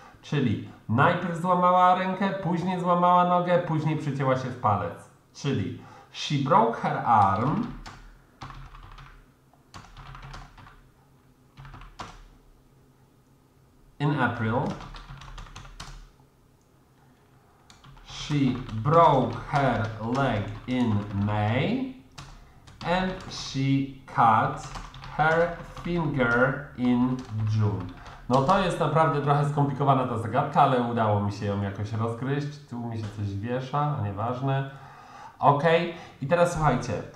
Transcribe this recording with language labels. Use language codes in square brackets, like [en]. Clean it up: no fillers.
[pl] Czyli najpierw złamała rękę, później złamała nogę, później przycięła się w palec. Czyli [en] she broke her arm in April. She broke her leg in May. And she cut her finger in June. [pl] No to jest naprawdę trochę skomplikowana ta zagadka, ale udało mi się ją jakoś rozgryźć. Tu mi się coś wiesza, a nieważne. Ok, i teraz słuchajcie.